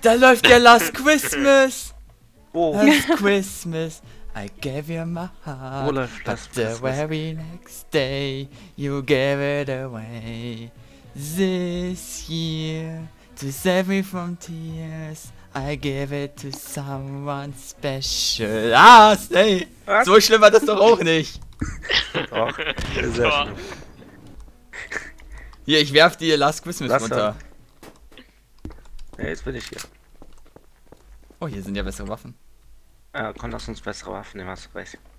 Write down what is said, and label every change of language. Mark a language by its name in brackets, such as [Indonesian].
[German] Da läuft der Last Christmas! Oh. [English] Last Christmas! I gave you my heart, [German] oh, läuft, [English] but the very next day you gave it away. This year, to save me from tears, I gave it to someone special. Ah, Stay! [German] Was? So schlimm war das doch auch nicht. Doch, sehr schlimm. Hier, ich werf dir Last Christmas Lass runter. Ja, jetzt bin ich hier. Oh, hier sind ja bessere Waffen. Komm, lass uns bessere Waffen nehmen, hast du recht.